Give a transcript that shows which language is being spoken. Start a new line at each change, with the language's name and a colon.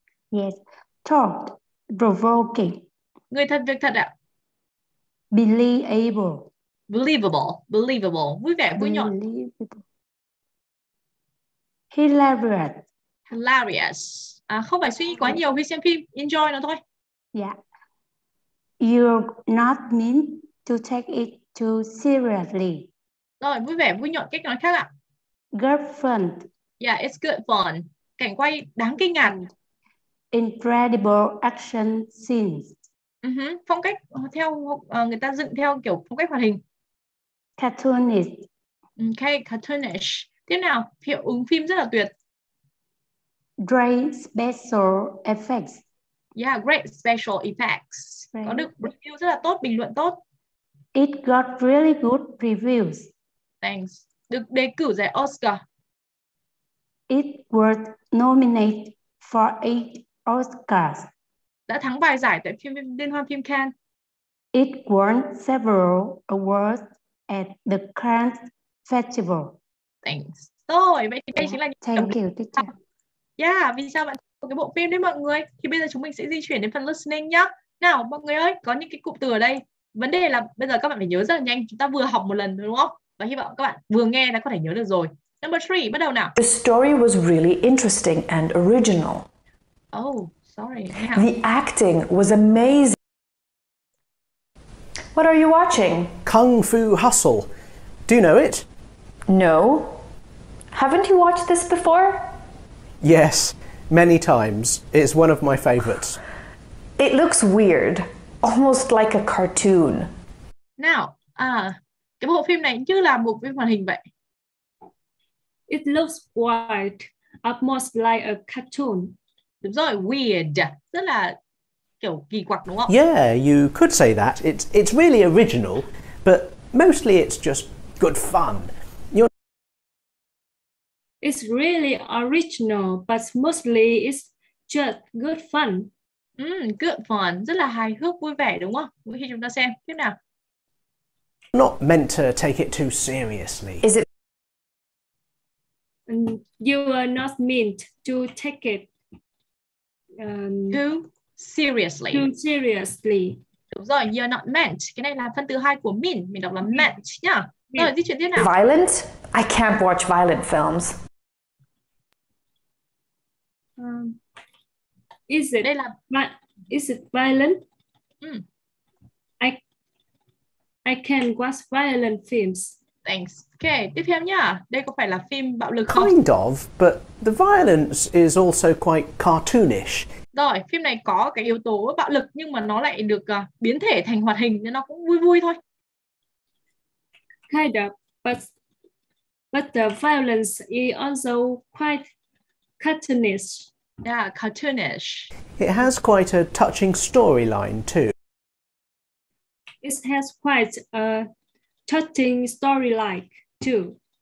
English: Yes, thought provoking.
Vietnamese: Người thật việc thật ạ.
English: Believable. Believable, believable.
Vietnamese: Vui vẻ, vui nhộn.
English: Hilarious. Hilarious.
Vietnamese: Không phải suy nghĩ quá nhiều khi xem phim. Enjoy nó thôi.
English: Yeah. You're not mean to take it too seriously.
Vietnamese: Rồi, vui vẻ, vui nhộn. Cách nói khác ạ.
English: Good fun. Yeah, it's good fun.
Vietnamese: Cảnh quay đáng kinh ngạc.
English: Incredible action scenes. Uh-huh.
Vietnamese: Phong cách theo người ta dựng theo kiểu phong cách hoạt hình.
English: Cartoonish. Okay, cartoonish.
Vietnamese: Tiếp nào, hiệu ứng phim rất là tuyệt.
English: Great special effects. Yeah, great special effects. Great.
Vietnamese: Có được review rất là tốt, bình luận tốt.
English: It got really good reviews. Thanks.
Vietnamese: Được đề cử giải Oscar.
English: It was nominated for 8 Oscars.
Vietnamese: Đã thắng vài giải tại phim liên hoan phim Cannes.
English: It won several awards at the Cannes Festival. Thanks.
Vietnamese: Rồi, vậy thì đây chính là những
English: thank you, teacher.
Vietnamese: Yeah, vì sao bạn thích cái bộ phim đấy mọi người? Thì bây giờ chúng mình sẽ di chuyển đến phần listening nhá. Nào, mọi người ơi, có những cái cụm từ ở đây. Vấn đề là bây giờ các bạn phải nhớ rất là nhanh. Chúng ta vừa học một lần đúng không? Và hy vọng các bạn vừa nghe là có thể nhớ được rồi.
English: Number 3,
Vietnamese: bắt đầu nào.
English: The story was really interesting and original. Oh, sorry. The acting was amazing. What are you watching? Kung Fu Hustle. Do you know it? No. Haven't you watched this before? Yes, many times. It's one of my favorites. It looks weird, almost like a cartoon.
Vietnamese: Now, cái bộ phim này như là một phim hoạt hình vậy.
English: It looks weird, almost like a cartoon.
Vietnamese: Đúng rồi, weird, rất là kiểu kỳ quặc đúng không?
English: Yeah, you could say that. It's really original, but mostly it's just good fun. It's really original, but mostly it's just good fun. Good fun,
Vietnamese: rất là hài hước, vui vẻ đúng không? Mỗi khi chúng ta xem, tiếp nào.
English: Not meant to take it too seriously. Is it? You were not meant to take it too seriously. Too seriously.
Vietnamese: Đúng rồi,
English: you're not meant.
Vietnamese: Cái này là phân từ hai của mean, mình đọc là meant nha. Yeah. Rồi, di chuyển tiếp nào.
English: Violent? I can't watch violent films. Is it?
Vietnamese: Đây là
English: is it violent? I can watch violent films.
Vietnamese: Thanks. Okay, tiếp theo nha. Đây có phải là phim bạo lực không?
English: Kind of, but the violence is also quite cartoonish.
Vietnamese: Rồi, phim này có cái yếu tố bạo lực nhưng mà nó lại được biến thể thành hoạt hình nên nó cũng vui vui thôi.
English: Kind of, but the violence is also quite cartoonish. Yeah, cartoonish. It has quite a touching storyline too. It has quite a touching story-like too.